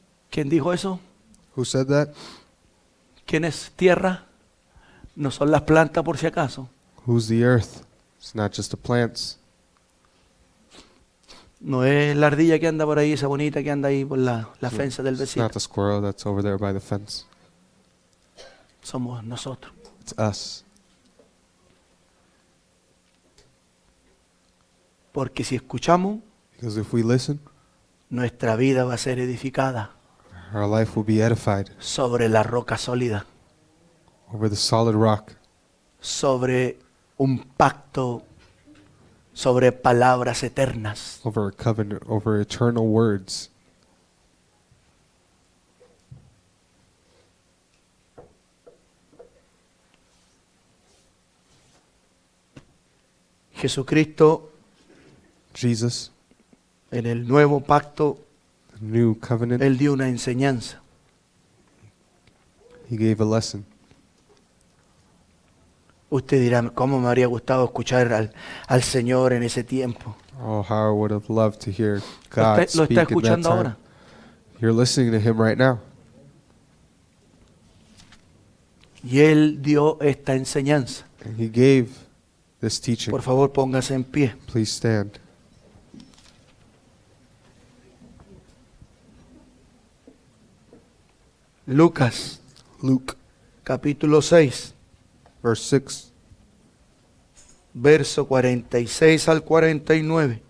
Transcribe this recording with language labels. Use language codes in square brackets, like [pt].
[es] ¿Quién dijo eso? [en] Who said that? [es] ¿Quién es tierra? No son las plantas, por si acaso. [en] Who's the earth? It's not just the plants. [es] No es la ardilla que anda por ahí, esa bonita que anda ahí por la fensa del vecino. [en] It's not the squirrel that's over there by the fence. [es] Somos nosotros. [en] It's us. [es] Porque si escuchamos, [en] because if we listen, [es] nuestra vida va a ser edificada. [en] Our life will be edified. [es] Sobre la roca sólida. [en] Over the solid rock. [es] Sobre un pacto. Sobre palabras eternas. [en] Over a covenant, over eternal words. [es] Jesucristo. [en] Jesus. [es] En el nuevo pacto. [en] The new covenant. [es] Él dio una enseñanza. [en] He gave a lesson. [es] Usted dirá, ¿cómo me habría gustado escuchar al Señor en ese tiempo? [en] Oh, how I would have loved to hear God speak at that time. [es] Lo está escuchando ahora. [en] You're listening to him right now. [es] Y él dio esta enseñanza. [en] And he gave this teaching. [es] Por favor, póngase en pie. [en] Please stand. [es] Lucas. [en] Luke. [es] Capítulo 6. [en] Verse 6. [es] Verso 46 al 49.